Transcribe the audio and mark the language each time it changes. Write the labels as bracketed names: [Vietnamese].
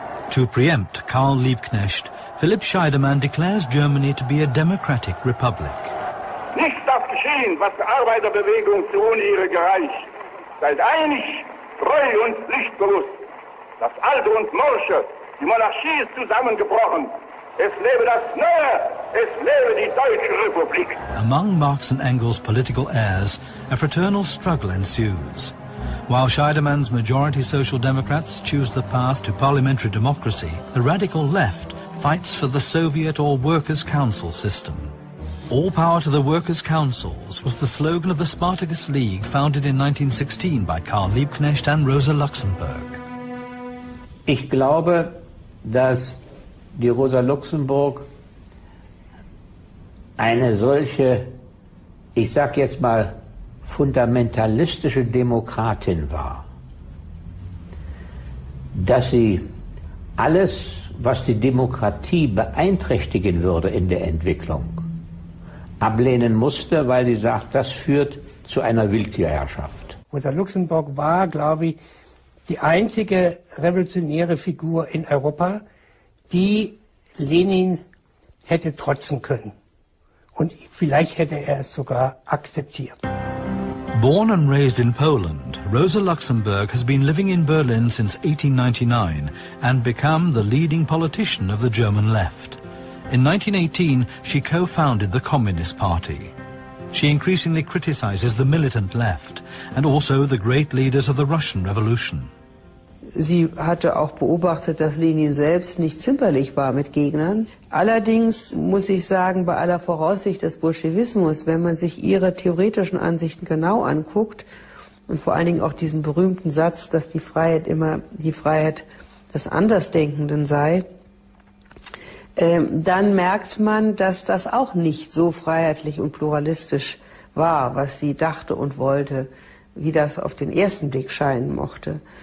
[English] To preempt Karl Liebknecht, Philipp Scheidemann declares Germany to be a democratic republic. [German] Nicht das geschehen, was die Arbeiterbewegung zu Unehre gereicht. Seid einig, treu und pflichtbewusst. Das Alte und Morsche, die Monarchie ist zusammengebrochen. Es lebe das Neue, es lebe die Deutsche Republik. [English] Among Marx and Engels' political heirs, a fraternal struggle ensues. While Scheidemann's majority social democrats choose the path to parliamentary democracy, the radical left fights for the Soviet or workers' council system. All power to the workers' councils was the slogan of the Spartacus League founded in 1916 by Karl Liebknecht and Rosa Luxemburg. [German] Ich glaube, dass die Rosa Luxemburg eine solche, ich sag jetzt mal, fundamentalistische Demokratin war, dass sie alles, was die Demokratie beeinträchtigen würde in der Entwicklung, ablehnen musste, weil sie sagt, das führt zu einer Willkürherrschaft. Rosa Luxemburg war, glaube ich, die einzige revolutionäre Figur in Europa, die Lenin hätte trotzen können. Und vielleicht hätte er es sogar akzeptiert. [English] Born and raised in Poland, Rosa Luxemburg has been living in Berlin since 1899 and become the leading politician of the German left. In 1918, she co-founded the Communist Party. She increasingly criticizes the militant left and also the great leaders of the Russian Revolution. [German] Sie hatte auch beobachtet, dass Lenin selbst nicht zimperlich war mit Gegnern. Allerdings muss ich sagen, bei aller Voraussicht des Bolschewismus, wenn man sich ihre theoretischen Ansichten genau anguckt und vor allen Dingen auch diesen berühmten Satz, dass die Freiheit immer die Freiheit des Andersdenkenden sei, dann merkt man, dass das auch nicht so freiheitlich und pluralistisch war, was sie dachte und wollte, wie das auf den ersten Blick scheinen mochte.